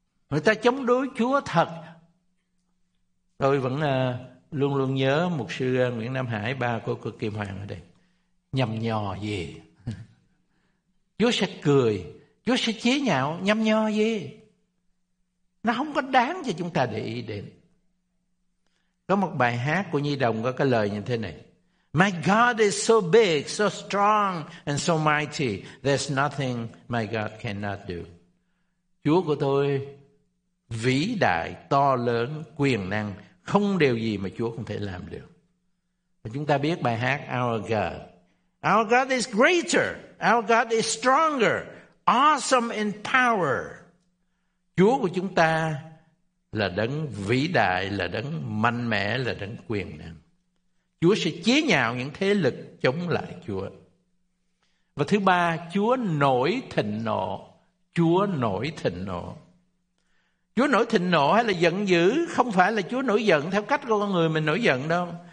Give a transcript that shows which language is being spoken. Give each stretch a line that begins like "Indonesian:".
Vietnamese: Người ta chống đối Chúa thật. Tôi vẫn luôn luôn nhớ mục sư Nguyễn Nam Hải, ba của cô Kim Hoàng ở đây. Nhầm nhò gì? Chúa sẽ cười, Chúa sẽ chế nhạo, nhầm nhò gì? Nó không có đáng cho chúng ta để ý đến. Có một bài hát của Nhi Đồng có cái lời như thế này.
English: My God is so big, so strong and so mighty. There's nothing my God cannot do.
Vietnamese: Chúa của tôi vĩ đại, to lớn, quyền năng, không điều gì mà Chúa không thể làm được. Và chúng ta biết bài hát
English: Our God. Our God is greater, our God is stronger, awesome in power.
Vietnamese: Chúa của chúng ta là đấng vĩ đại, là đấng mạnh mẽ, là đấng quyền năng. Chúa sẽ chế nhạo những thế lực chống lại Chúa. Và thứ ba, Chúa nổi thịnh nộ. Chúa nổi thịnh nộ. Chúa nổi thịnh nộ hay là giận dữ không phải là Chúa nổi giận theo cách của con người mình nổi giận đâu.